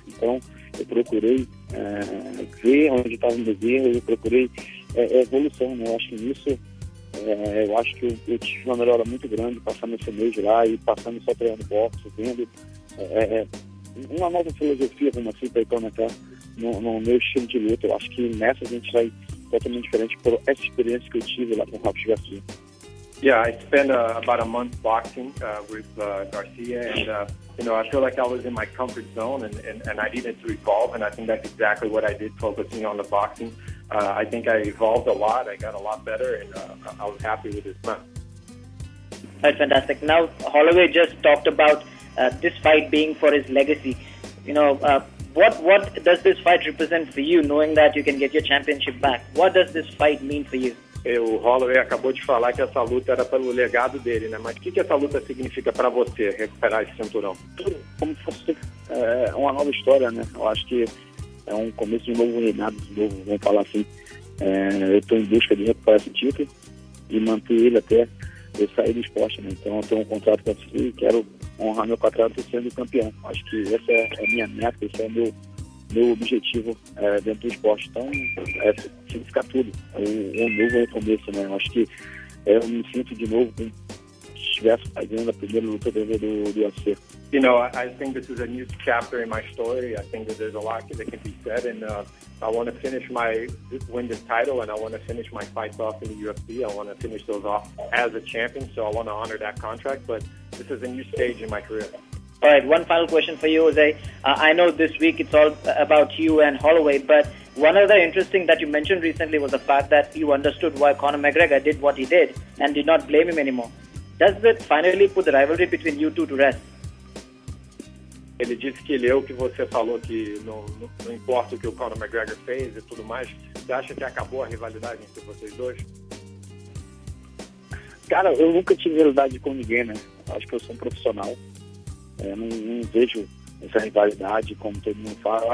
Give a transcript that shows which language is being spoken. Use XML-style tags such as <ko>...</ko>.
<pt>Então, eu procurei ver onde estava o meu erro, eu procurei evolução, né? Eu acho que nisso, eu acho que eu tive uma melhora muito grande passando esse mês lá e passando só treinando boxe, vendo uma nova filosofia, vamos assim, para implementar no meu estilo de luta. Eu acho que nessa a gente vai totalmente diferente por essa experiência que eu tive lá com o Robert Garcia.</pt> <en>Yeah, I spent about a month boxing with Garcia, and you know, I feel like I was in my comfort zone, and I needed to evolve, and I think that's exactly what I did, focusing on the boxing. I think I evolved a lot. I got a lot better, and I was happy with this match. That's fantastic. Now Holloway just talked about this fight being for his legacy. You know, what does this fight represent for you? Knowing that you can get your championship back, what does this fight mean for you?</en> <pt>O Holloway acabou de falar que essa luta era pelo legado dele, né? Mas o que essa luta significa para você, recuperar esse cinturão? Como se fosse uma nova história, né? Eu acho que é um começo de um novo reinado, de novo, vamos falar assim. É, eu estou em busca de recuperar esse título e manter ele até eu sair do esporte, né? Então eu tenho um contrato com a FIFA e quero honrar meu contrato sendo campeão. Acho que essa é a minha meta, esse é o meu objetivo dentro do esporte. Então é significa tudo. É um novo recomeço, né? Acho que eu me sinto de novo como se estivesse fazendo a primeira luta do UFC.</pt> <en>You know, I think this is a new chapter in my story. I think that there's a lot that can be said, and I want to finish my win this title, and I want to finish my fights off in the UFC. I want to finish those off as a champion, so I want to honor that contract. But this is a new stage in my career. All right, one final question for you, Jose. I know this week it's all about you and Holloway, but one other interesting that you mentioned recently was the fact that you understood why Conor McGregor did what he did and did not blame him anymore. Does it finally put the rivalry between you two to rest?</en> <pt>Ele disse que leu o que você falou, que não importa o que o Conor McGregor fez e tudo mais. Você acha que acabou a rivalidade entre vocês dois? Cara, eu nunca tive rivalidade com ninguém, né? Acho que eu sou um profissional. Não vejo essa rivalidade, como todo mundo fala.</pt>